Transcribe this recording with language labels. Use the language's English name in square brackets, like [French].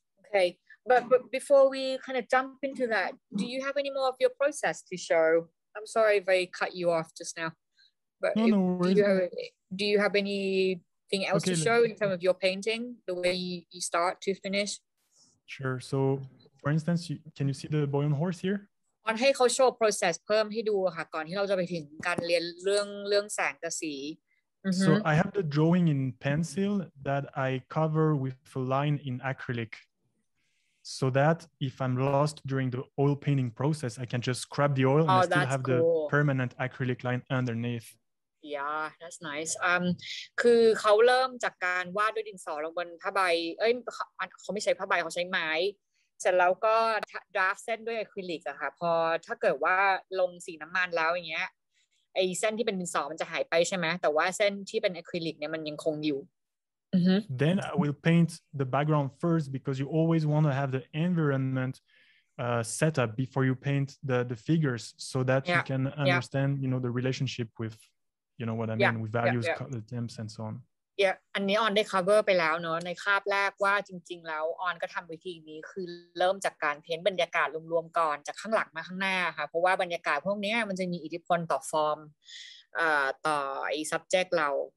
[English] Okay, but before we kind of jump into that, do you have any more of your process to show? I'm sorry if I cut you off just now. But no worries. Do you have anything else to show in terms of your painting, the way you start to finish? Sure, so... For instance, can you see the boy on horse here? [Thai] ตอนให้เขาโชว์ process เพิ่มให้ดูค่ะก่อนที่เราจะไปถึงการเรียนเรื่องแสงกับสี [English] So I have the drawing in pencil that I cover with a line in acrylic, so that if I'm lost during the oil painting process, I can just scrub the oil and I still have the permanent acrylic line underneath. Yeah, that's nice. [Thai] คือเขาเริ่มจากการวาดด้วยดินสอลงบนผ้าใบเอ้ยเขาไม่ใช้ผ้าใบเขาใช้ไม้เสร็จแล้วก็ดราฟเส้นด้วยอะคริลิกอะค่ะพอถ้าเกิดว่าลงสีน้ำมันแล้วอย่างเงี้ยไอเส้นที่เป็นดินสอมันจะหายไปใช่ไหมแต่ว่าเส้นที่เป็นอะคริลิกเนี่ยมันยังคงอยู่ mm-hmm. [English] Then I will paint the background first because you always want to have the environmentset up before you paint the figures so that yeah. you can understand yeah. you know the relationship with you know what I mean yeah. with values yeah. color temps and so on [Thai] yeah อันนี้ออนได้ cover ไปแล้วเนาะในคาบแรกว่าจริงๆแล้วออนก็ทำวิธีนี้คือเริ่มจากการเพ้นบรรยากาศรวมๆก่อนจากข้างหลังมาข้างหน้าค่ะเพราะว่าบรรยากาศพวกนี้มันจะมีอิทธิพลต่อฟอร์มต่อไอ้ subject เรา